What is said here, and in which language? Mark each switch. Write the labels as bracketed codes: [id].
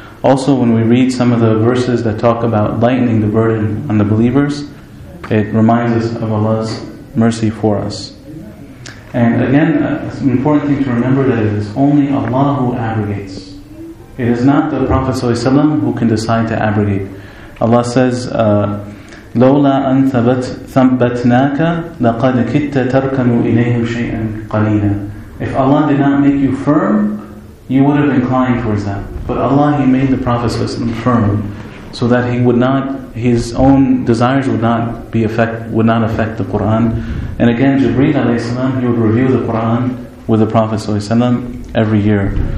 [en] Also, when we read some of the verses that talk about lightening the burden on the believers, it reminds us of Allah's mercy for us. And again, it's an important thing to remember that it is only Allah who abrogates. It is not the Prophet ﷺ who can decide to abrogate. Allah says, [ar] لَوْلَا أَن ثَبَتْنَاكَ لَقَدْ كِتَّ تَرْكَنُوا إِلَيْهِمْ شَيْئًا قَلِيلًا. [en] If Allah did not make you firm, you would have inclined towards that. But Allah, He made the Prophet ﷺ firm, so that he would not, his own desires would not be affect, would not affect the Quran. And again, Jibreel alayhi salam, he would review the Quran with the Prophet ﷺ every year.